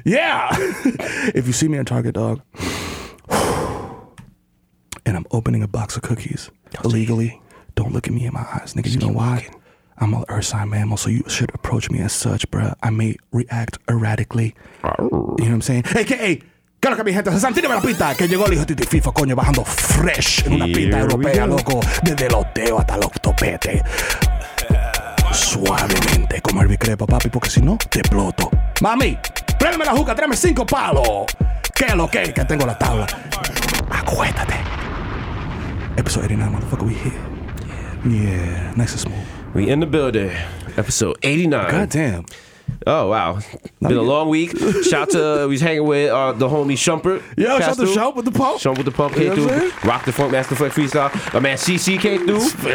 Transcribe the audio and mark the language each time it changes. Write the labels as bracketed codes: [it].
[en] Yeah. If you see me on Target, dog. And I'm opening a box of cookies illegally. Don't look at me in my eyes, nigga. You know why? Looking. I'm an Earth sign mammal, so you should approach me as such, bruh. I may react erratically. You know what I'm saying? [es] AKA, claro que mi gente, se santina la pinta, que llegó el hijo de FIFA, coño, bajando fresh en una pinta europea, loco, desde el oteo hasta el octopete. Suavemente, como el bicrepa, papi, porque si no, te exploto. Mami, tráeme la juca, tráeme 5 palos. Que lo que tengo la tabla. Acuérdate. [en] Episode 89, motherfucker, we here. Yeah, nice and smooth. We in the building, episode 89. God damn. Oh, wow. Been a long week. Shout out to, he's hanging with the homie Shumpert. Yo, Castle. Shout out to Shump with the pump. Shump with the pump, came through. Rock the Funk, Master Flex Freestyle. My man CC came through.